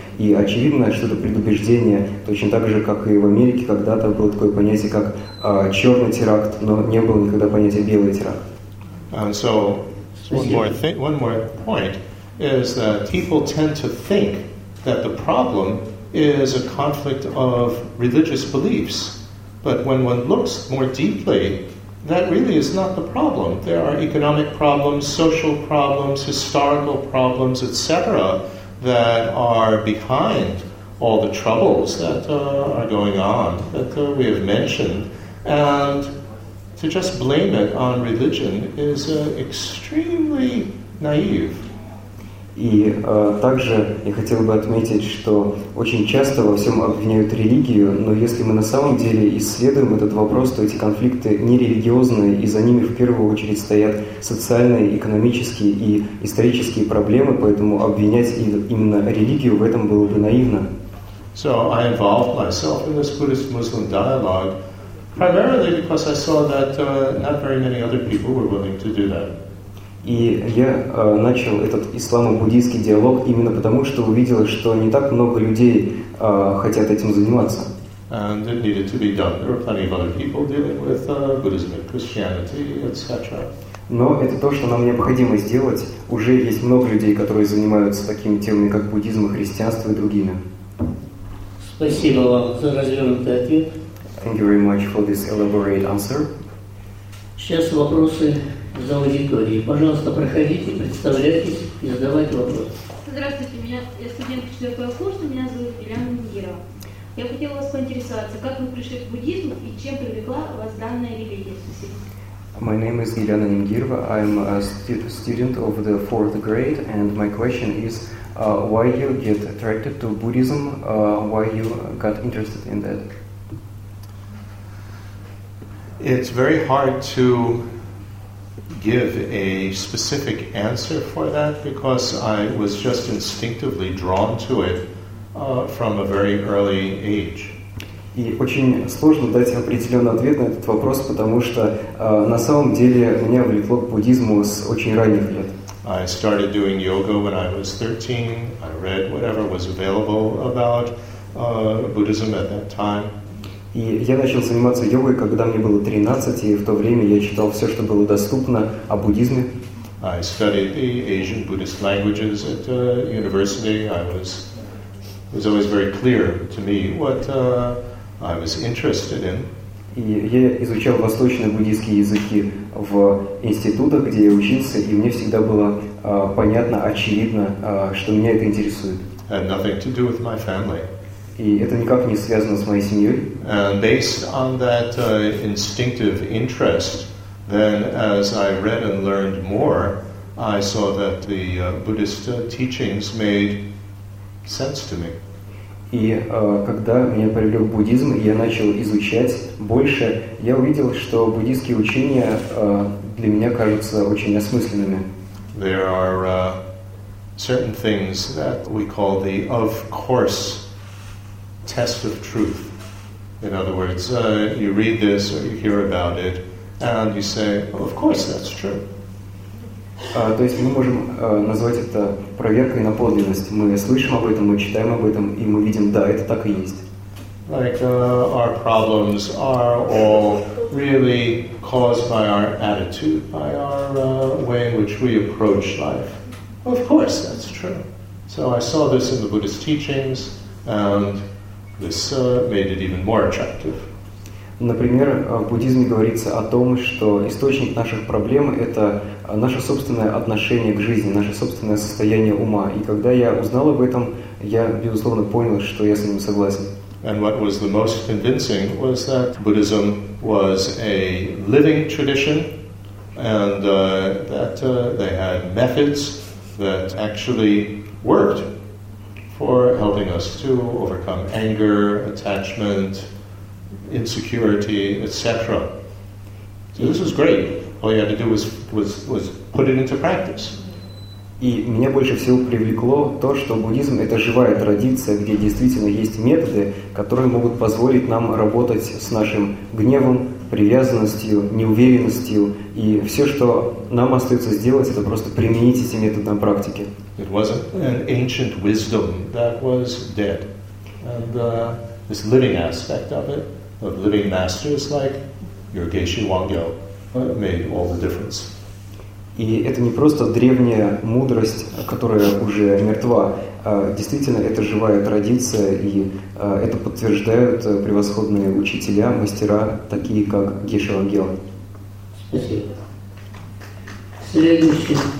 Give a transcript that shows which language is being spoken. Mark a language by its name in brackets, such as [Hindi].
[Russian] И очевидно, что это предубеждение, точно так же, как и в Америке, когда-то было такое понятие, как «черный теракт», но не было никогда понятия «белый теракт». [English] And so, one more point is that people tend to think that the problem is a conflict of religious beliefs. But when one looks more deeply, that really is not the problem. There are economic problems, social problems, historical problems, etc., that are behind all the troubles that are going on, that we have mentioned. And to just blame it on religion is extremely naive. [Russian] И также я хотел бы отметить, что очень часто во всем обвиняют религию, но если мы на самом деле исследуем этот вопрос, то эти конфликты нерелигиозные, и за ними в первую очередь стоят социальные, экономические и исторические проблемы, поэтому обвинять именно религию в этом было бы наивно. [English] So I involved myself in this Buddhist-Muslim dialogue primarily because I saw that not very many other people were willing to do that. [Russian] И я начал этот исламо-буддийский диалог именно потому, что увидел, что не так много людей хотят этим заниматься. [English] And it needed to be done. There are plenty of other people dealing with Buddhism, Christianity, etc. [Russian] Но это то, что нам необходимо сделать. Уже есть много людей, которые занимаются такими темами, как буддизм, христианство и другими. Спасибо вам за развернутый ответ. [English] Thank you very much for this elaborate answer. [Russian] Сейчас вопросы за аудиторией. Пожалуйста, проходите, представляйтесь и задавайте вопросы. Здравствуйте, я студент 4-го курса, меня зовут Елена Мира. Я хотела вас поинтересоваться, как вы пришли к буддизму и чем привлекла вас данная религия? Спасибо. [English] My name is Елена Нингирова. I'm a student of the 4th grade, and my question is, why you get attracted to Buddhism, why you got interested in that? It's very hard to give a specific answer for that because I was just instinctively drawn to it from a very early age. [Russian] И очень сложно дать определенный ответ на этот вопрос, потому что на самом деле меня влекло к буддизму с очень ранних лет. [English] I started doing yoga when I was 13. I read whatever was available about Buddhism at that time. [Russian] И я начал заниматься йогой, когда мне было 13, и в то время я читал все, что было доступно о буддизме. [English] I studied the Asian Buddhist languages at university. It was always very clear to me what I was interested in. [Russian] И я изучал восточные буддийские языки в институтах, где я учился, и мне всегда было понятно, очевидно, что меня это интересует. [English] Had nothing to do with my family. [Russian] И это никак не связано с моей семьей. [English] And based on that instinctive interest, then as I read and learned more, I saw that the Buddhist teachings made sense to me. [Russian] И когда меня привлек буддизм, я начал изучать больше, я увидел, что буддийские учения для меня кажутся очень осмысленными. [English] There are certain things that we call the of course test of truth. In other words, you read this or you hear about it, and you say, well, of course that's true. [Russian] То есть мы можем назвать это проверкой на подлинность. Мы слышим об этом, мы читаем об этом, и мы видим, да, это так и есть. [English] Like our problems are all really caused by our attitude, by our way in which we approach life. Of course that's true. So I saw this in the Buddhist teachings, and this made it even more attractive. [Russian] Например, в буддизме говорится о том, что источник наших проблем – это наше собственное отношение к жизни, наше собственное состояние ума. И когда я узнал об этом, я, безусловно, понял, что я с ним согласен. [English] And what was the most convincing was that Buddhism was a living tradition, and that they had methods that actually worked for helping us to overcome anger, attachment, insecurity, etc. So this was great. All you had to do was put it into practice. [Russian] И меня больше всего привлекло то, что буддизм – это живая традиция, где действительно есть методы, которые могут позволить нам работать с нашим гневом, привязанностью, неуверенностью. И все, что нам остается сделать, это просто применить эти методы на практике. [English] It wasn't an ancient wisdom that was dead. And this living aspect of it, of living masters like your Geshe Wangyo, made all the difference. [Russian] И это не просто древняя мудрость, которая уже мертва. Действительно, это живая традиция, и это подтверждают превосходные учителя, мастера, такие как Геша Вангел. Спасибо. Следующий.